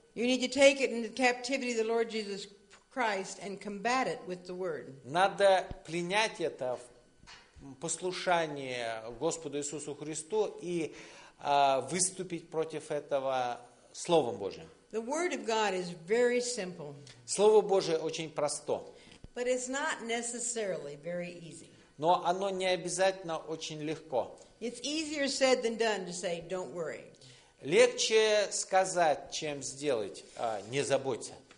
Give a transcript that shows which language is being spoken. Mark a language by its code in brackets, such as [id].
[en] You need to take it into captivity the Lord Jesus Christ and combat it with the word. [ru] Надо пленять это в послушание Господу Иисусу Христу и выступить против этого Словом Божьим. [en] The word of God is very simple. [ru] Слово Божие очень просто. [en] But it's not necessarily very easy. [ru] Но оно не обязательно очень легко. [en] It's easier said than done to say don't worry. [ru] Легче сказать, чем сделать, не заботься.